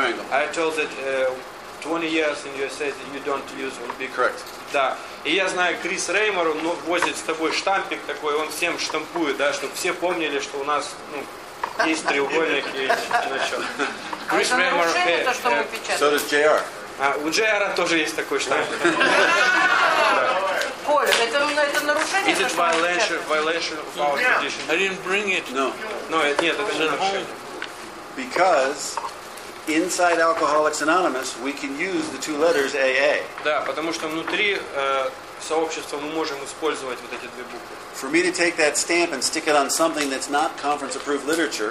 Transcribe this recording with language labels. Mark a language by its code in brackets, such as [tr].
[en] I told that 20 years in USA that you don't use will be correct. [ru] Да. И я знаю, Крис Реймор, он возит с тобой штампик такой, он всем штампует, да, чтобы все помнили, что у нас, ну, есть треугольник и значок. Крис Реймор, [en] so does JR. [ru] У Джейра тоже есть такой штамп. Коль, это нарушение. [en] Is it violation of our tradition? I didn't bring it. No. No, [ru] нет, это же нарушение. [en] Because inside Alcoholics Anonymous we can use the two letters AA. [ru] Да, потому что внутри сообщества мы можем использовать вот эти две буквы. [en] For me to take that stamp and stick it on something that's not conference-approved literature.